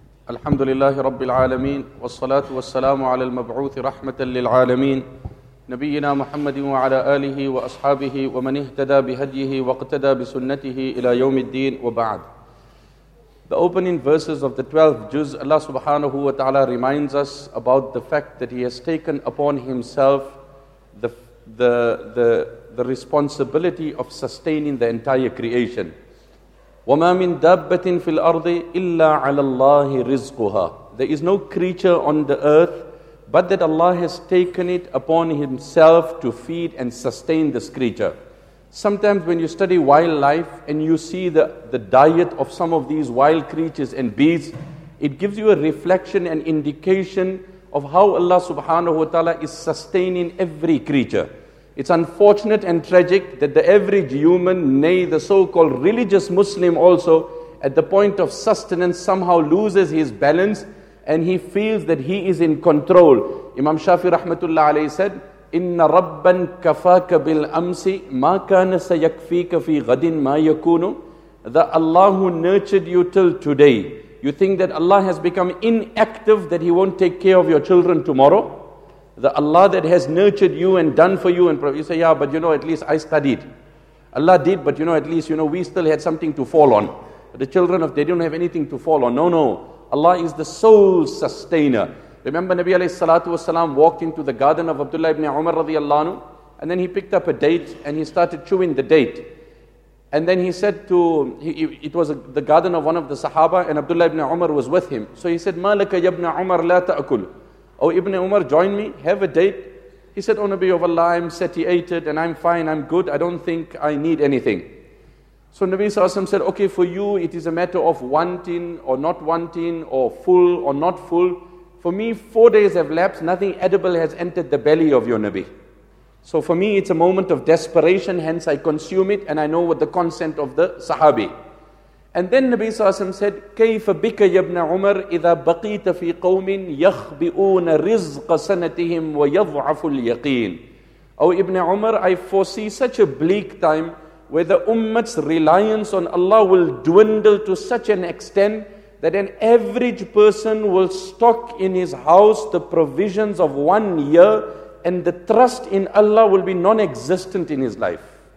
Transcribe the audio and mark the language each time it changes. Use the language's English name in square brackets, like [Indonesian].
[Arabic] الحمد لله رب العالمين، والصلاة والسلام على المبعوث رحمة للعالمين نبينا محمد وعلى آله وأصحابه ومن اهتدى بهديه واقتدى بسنته إلى يوم الدين وبعد. [English] The opening verses of the 12th juz, Allah subhanahu wa ta'ala reminds us about the fact that he has taken upon himself the responsibility of sustaining the entire creation. [Arabic] وَمَا مِن دَابَّةٍ فِي الْأَرْضِ إِلَّا عَلَى اللَّهِ رِزْقُهَا. [English] There is no creature on the earth but that Allah has taken it upon himself to feed and sustain this creature. Sometimes when you study wildlife and you see the diet of some of these wild creatures and beasts, it gives you a reflection and indication of how Allah subhanahu wa ta'ala is sustaining every creature. It's unfortunate and tragic that the average human, nay the so-called religious Muslim also, at the point of sustenance somehow loses his balance and he feels that he is in control. Imam Shafi rahmatullah alayhi said, [Arabic] إِنَّ رَبَّا كَفَاكَ بِالْأَمْسِ مَا كَانَ سَيَكْفِيكَ فِي غَدٍ مَا يَكُونُ. [English] That Allah who nurtured you till today, you think that Allah has become inactive, that he won't take care of your children tomorrow? The Allah that has nurtured you and done for you, and you say, yeah, but you know, at least I studied. Allah did, but you know, at least, you know, we still had something to fall on. The children of, they don't have anything to fall on. No, no. Allah is the sole sustainer. Remember Nabi alayhi salatu wasalam walked into the garden of Abdullah ibn Umar radiallahu anhu, and then he picked up a date and he started chewing the date. And then he said to, it was the garden of one of the Sahaba, and Abdullah ibn Umar was with him. So he said, [Arabic] مَا لَكَ يَا ابْنَ عُمَرْ لَا تَأْكُلُ. [English] Oh, Ibn Umar, join me, have a date. He said, oh, Nabi of Allah, I'm satiated and I'm fine, I'm good. I don't think I need anything. So Nabi Sallallahu Alaihi Wasallam said, okay, for you, it is a matter of wanting or not wanting, or full or not full. For me, 4 days have lapsed. Nothing edible has entered the belly of your Nabi. So for me, it's a moment of desperation. Hence, I consume it and I know what the consent of the Sahabi. And then Nabi Sallallahu Alaihi Wasallam said, [Arabic] كَيْفَ بِكَ يَبْنَ عُمَرِ إِذَا بَقِيتَ فِي قَوْمٍ يَخْبِئُونَ رِزْقَ سَنَتِهِمْ وَيَضْعَفُ الْيَقِينَ. [English] Oh Ibn Umar, I foresee such a bleak time where the ummah's reliance on Allah will dwindle to such an extent that an average person will stock in his house the provisions of 1 year and the trust in Allah will be non-existent in his life.